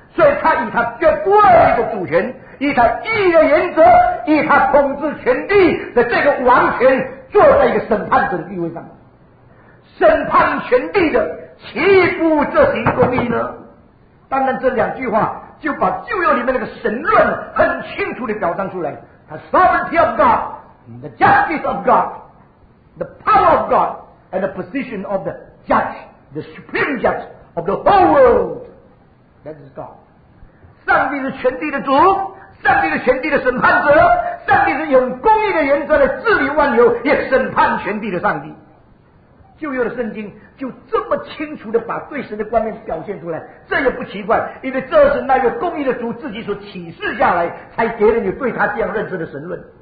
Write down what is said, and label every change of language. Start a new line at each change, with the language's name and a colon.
Chinese: 所以他以他绝对的主权，以他义的原则，以他统治全地的这个王权，坐在一个审判者的地位上。审判全地的岂不这行公义呢？当然这两句话就把旧约里面那个神论很清楚地表彰出来。
English: The sovereignty of God, the justice of God, the power of God, and the position of the judge, the supreme judge of the whole world, that is God.
Chinese: 上帝是全地的主，上帝是全地的审判者，上帝是用公义的原则来治理万有，也审判全地的上帝。旧约的圣经就这么清楚地把对神的观念表现出来，这也不奇怪，因为这是那个公义的主自己所启示下来，才给了你对他这样认识的神论。